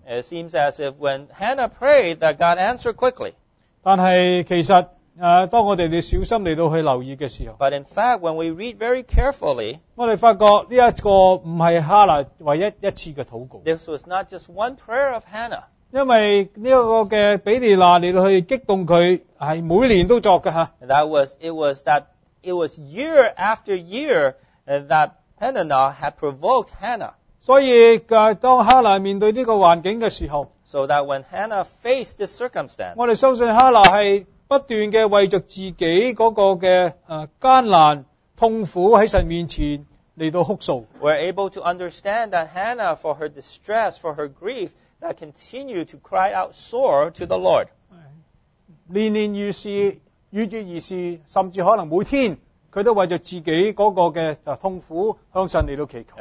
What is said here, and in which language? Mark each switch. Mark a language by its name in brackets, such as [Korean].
[English] It seems as if when Hannah prayed that God answered quickly. [Cantonese] 但系其实当我哋嚟小心嚟到去留意嘅时候 [English] ，But in fact, when we read very carefully, [Cantonese] 我哋发觉呢一个唔系哈拿唯一一次嘅祷告。 [English] This was not just one prayer of Hannah. [Cantonese] 因为呢个嘅比利拿嚟到去激动佢，系每年都作嘅吓。 [English] It was year after year that Peninnah had provoked Hannah. [Cantonese] 所以当哈拿面对呢个环境嘅时候 [English] ，so that when Hannah faced this circumstance， [Cantonese] 我哋相信哈拿系不断嘅为着自己嗰个嘅艰难痛苦喺神面前。 [English] We're able to understand that Hannah, for her distress, for her grief, that continued to cry out sore to the Lord. [Cantonese] 年年如是，月月如是，甚至可能每天，佢都为着自己嗰个嘅痛苦向神嚟到祈求。